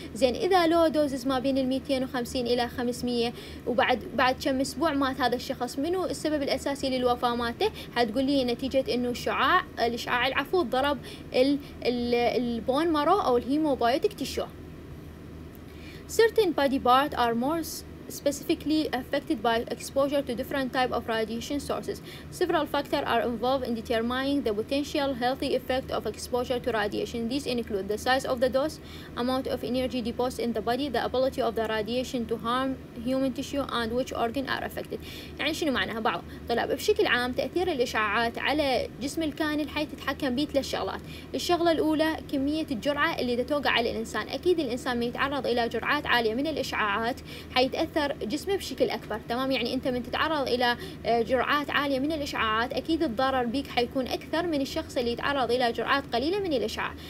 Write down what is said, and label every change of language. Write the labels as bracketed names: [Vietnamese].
[Arabic] زين، اذا low doses ما بين ال 250 الى 500 وبعد كم اسبوع مات هذا الشخص، منو السبب الاساسي للوفاه ماته؟ حتقولي نتيجه انه الاشعاع ضرب البون مارو او الهيموبايوتيك تيشو. [English] certain body part are more specifically affected by exposure to different type of radiation sources. Several factors are involved in determining the potential healthy effect of exposure to radiation. These include the size of the dose, amount of energy deposited in the body, the ability of the radiation to harm human tissue, and which organ are affected. [Arabic] يعني شنو معناها؟ بعض طلاب، بشكل عام تأثير الإشعاعات على جسم الكائن الحي تتحكم به ثلاث شغلات. الشغلة الأولى كمية الجرعة اللي توقع على الإنسان. أكيد الإنسان ما يتعرض إلى جرعات عالية من الإشعاعات حيتأثر تأثر جسمه بشكل أكبر، تمام؟ يعني أنت من تتعرض إلى جرعات عالية من الإشعاعات أكيد الضرر بيك حيكون أكثر من الشخص اللي يتعرض إلى جرعات قليلة من الإشعاع.